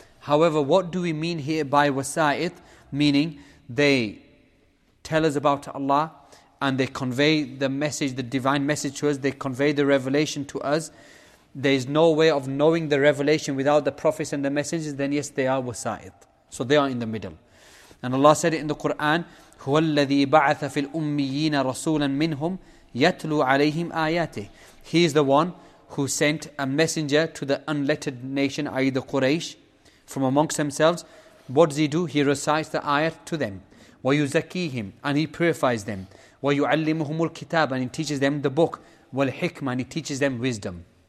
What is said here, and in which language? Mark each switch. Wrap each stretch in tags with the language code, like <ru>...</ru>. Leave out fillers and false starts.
<en>However, what do we mean here by wasa'it? Meaning they tell us about Allah and they convey the message, the divine message to us. They convey the revelation to us. There is no way of knowing the revelation without the prophets and the messengers. Then yes, they are wasa'it. So they are in the middle. And Allah said it in the Quran,</en> <ar>هو الذي بعث في الأميين رسولا منهم يتلو عليهم آياته.</ar> <en>He is the one who sent a messenger to the unlettered nation, i.e. the Quraysh, from amongst themselves. What does he do? He recites the ayat to them.</en> <ar>وَيُزَكِّيهِمْ,</ar> <en>and he purifies them.</en> <ar>وَيُعَلِّمُهُمُ الْكِتَابَ,</ar> <en>and he teaches them the book. وَالْحِكْمَ, and he teaches them wisdom.</en>